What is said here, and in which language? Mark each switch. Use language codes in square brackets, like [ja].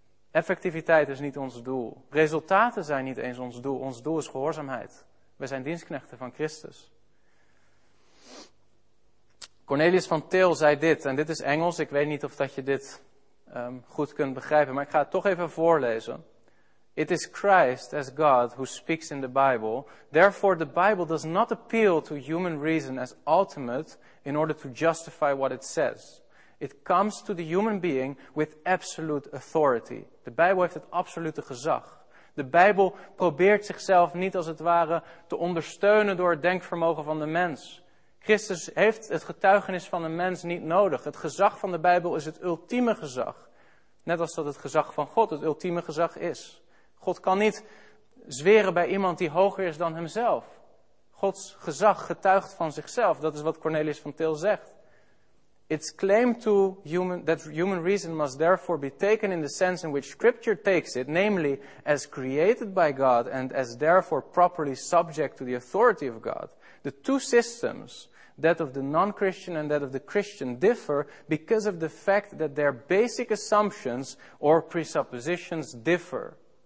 [nl] Effectiviteit is niet ons doel. Resultaten zijn niet eens ons doel. Ons doel is gehoorzaamheid. Wij zijn dienstknechten van Christus. Cornelius van Til zei dit, en dit is Engels. Ik weet niet of dat je dit goed kunt begrijpen, maar ik ga het toch even voorlezen. [en] It is Christ as God who speaks in the Bible. Therefore the Bible does not appeal to human reason as ultimate in order to justify what it says. It comes to the human being with absolute authority. [nl] De Bijbel heeft het absolute gezag. De Bijbel probeert zichzelf niet als het ware te ondersteunen door het denkvermogen van de mens. Christus heeft het getuigenis van de mens niet nodig. Het gezag van de Bijbel is het ultieme gezag. Net als dat het gezag van God het ultieme gezag is. God kan niet zweren bij iemand die hoger is dan hemzelf. Gods gezag getuigt van zichzelf. Dat is wat Cornelius van Til zegt. [en] Its claim to human, that human reason must therefore be taken in the sense in which Scripture takes it, namely as created by God and as therefore properly subject to the authority of God. The two systems, that of the non-Christian and that of the Christian, differ because of the fact that their basic assumptions or presuppositions differ.